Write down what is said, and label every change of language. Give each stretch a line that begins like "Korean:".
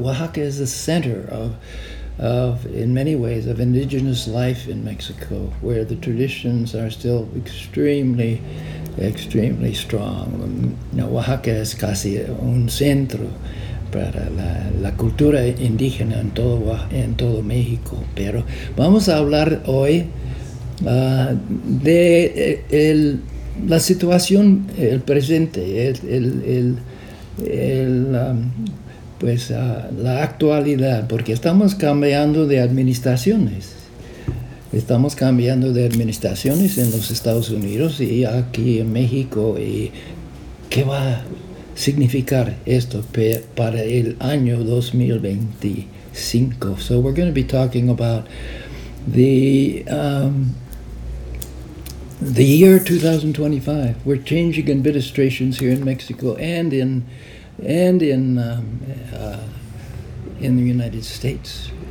English: Oaxaca is the center of, in many ways, of indigenous life in Mexico, where the traditions are still extremely, extremely strong.
Spanish: Oaxaca es casi un centro para la cultura indígena en todo México. Pero vamos a hablar hoy la situación, el presente, la actualidad, porque estamos cambiando de administraciones. Estamos cambiando de administraciones en los Estados Unidos y aquí en México. ¿Y qué va a significar esto para el año 2025?
English: So we're going to be talking about the year 2025. We're changing administrations here in Mexico and in the United States.